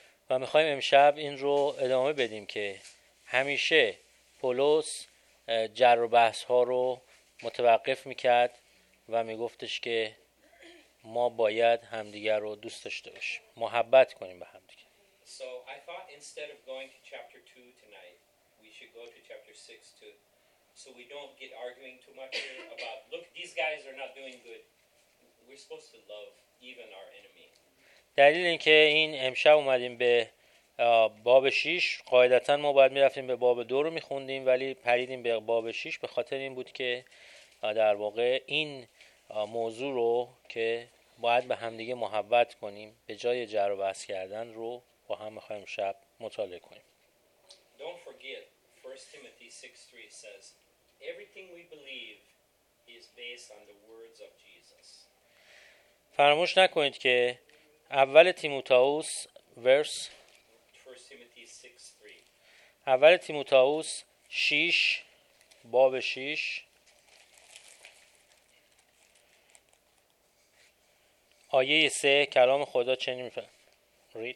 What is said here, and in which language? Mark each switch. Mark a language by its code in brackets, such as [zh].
[fa] و میخواییم امشب این رو ادامه بدیم که همیشه پولس جر و بحث ها رو متوقف میکرد و میگفتش که ما باید همدیگر رو دوست داشته باشیم، محبت کنیم به هم دیگه. [en] So I thought instead of going to chapter 2 tonight, we should go to chapter 6 to so we don't get arguing too much about look these guys are not doing good. We're supposed to love even our enemy. [fa] دلیل اینکه این امشب اومدیم به باب 6، قاعدتا ما باید می‌رفتیم به باب 2 رو می‌خوندیم، ولی پریدیم به باب 6 به خاطر این بود که در واقع این موضوع رو که باید به همدیگه محبت کنیم به جای جر و بحث کردن رو با هم می‌خوایم شب مطالعه کنیم. [en] Don't forget 1 Timothy 6:3 says everything we believe is based on the words of Jesus. [fa] فراموش نکنید که اول تیموتائوس ورس [en] 1 Timothy 6:3 [fa] اول تیموتائوس 6 باب 6 آیه 3 کلام خدا چنین می‌فرماید.